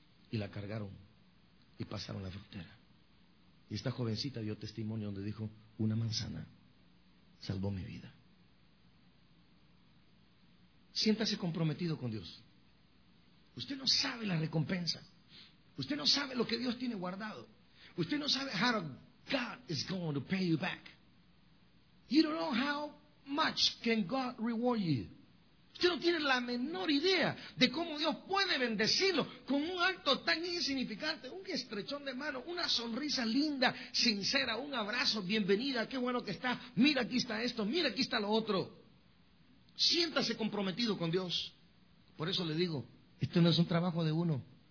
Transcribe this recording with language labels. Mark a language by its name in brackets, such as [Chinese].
[Spanish] Y la cargaron y pasaron la frontera. Y esta jovencita dio testimonio donde dijo, una manzana salvó mi vida. Siéntase comprometido con Dios. Usted no sabe la recompensa. Usted no sabe lo que Dios tiene guardado. Usted no sabe [English] how God is going to pay you back. You don't know how much can God reward you. [Spanish] Usted no tiene la menor idea de cómo Dios puede bendecirlo con un acto tan insignificante, un estrechón de mano, una sonrisa linda, sincera, un abrazo, bienvenida, qué bueno que está, mira aquí está esto, mira aquí está lo otro. Siéntase comprometido con Dios. Por eso le digo, esto no es un trabajo de uno.